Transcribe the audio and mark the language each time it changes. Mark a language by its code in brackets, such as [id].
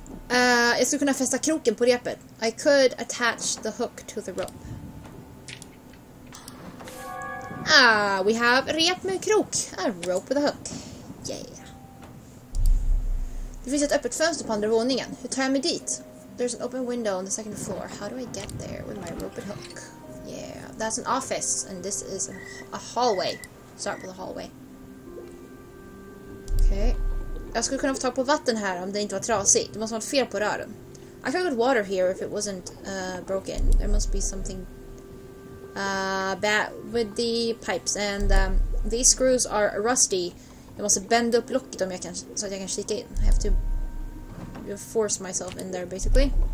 [sv] Jag skulle kunna fästa kroken på repet. [en] I could attach the hook to the rope. Ah, we have a [sv] rep med krok. [en] A rope with a hook. Yeah. [sv] Det finns ett öppet fönster på andra våningen. Hur tar jag mig dit? [en] There's an open window on the second floor. How do I get there with my rope and hook? Yeah, that's an office. And this is a hallway. Start with a hallway. Okay. [sv] Jag skulle kunna få tag på vatten här om det inte var trasigt. Det måste vara fel på rören. [en] I could get water here if it wasn't broken. There must be something... bad with the pipes and these screws are rusty. [sv] Jag måste bända upp locket om jag kan så att jag kan kika in. [en] I have to force myself in there basically.